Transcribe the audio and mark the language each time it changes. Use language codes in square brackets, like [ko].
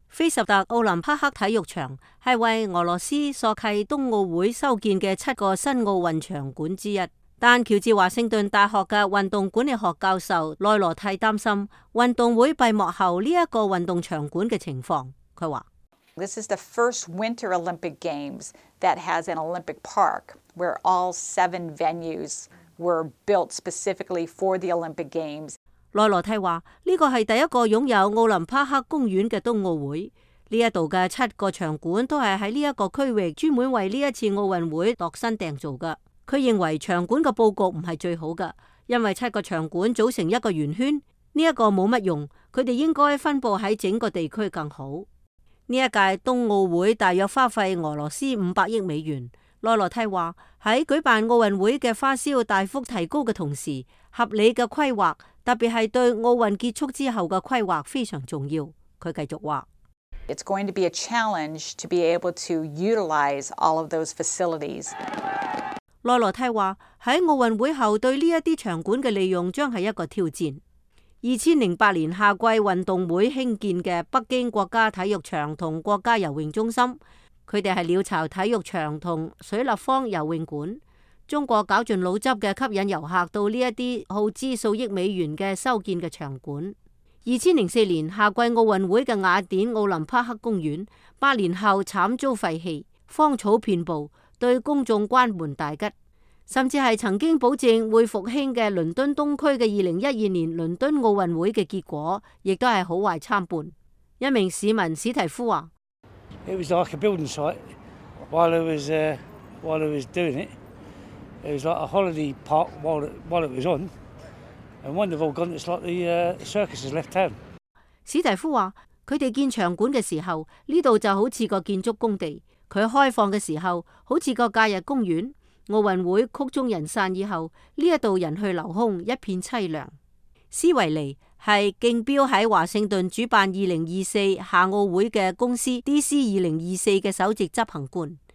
[zh] 菲什特奥林匹克体育场是为俄罗斯索契冬奥会修建的七个新奥运场馆之一。但乔治华盛顿大学的运动管理学教授内罗蒂担心运动会闭幕后这个运动场馆的情况。他说 [en] This is the first Winter Olympic Games that has an Olympic Park where all seven venues were built specifically for the Olympic Games. [zh] 内罗蒂说这个是第一个拥有奥林匹克公园的冬奥会。这里的七个场馆都是在这个区域专门为这次奥运会度身订造的。他认为场馆的布局不是最好的，因为七个场馆组成一个圆圈，这个没什么用，他们应该分布在整个地区更好。这届冬奥会大约花费俄罗斯500亿美元。内罗蒂说在举办奥运会的花销大幅提高的同时，合理的规划，特别是对奥运结束之后的规划非常重要。他继续说 [en] It's going to be a challenge to be able to utilize all of those facilities. [zh] 内罗蒂说在奥运会后对这些场馆的利用将是一个挑战。 2008年夏季运动会兴建的北京国家体育场和国家游泳中心，他们是鸟巢体育场和水立方游泳馆。中国绞尽脑汁的吸引游客到这些耗资数亿美元的修建的场馆。 2004年夏季奥运会的雅典奥林匹克公园八年后惨遭废弃，荒草遍布，对公众关门大吉。甚至是曾经保证会复兴的伦敦东区的2012年伦敦奥运会的结果亦都是好坏参半。一名市民史提夫说 [en] It was like a building site while it was doing itIt was like a holiday park while it was on. And when they've all gone, it's like the circus has left town. [zh] 史蒂夫说他们建场馆的时候，这里就好像个建筑工地。他开放的时候好像个假日公园。奥运会曲终人散以后，这里人去楼空，一片凄凉。斯维尼是竞标在华盛顿主办2024夏奥会的公司 DC2024 的首席执行官。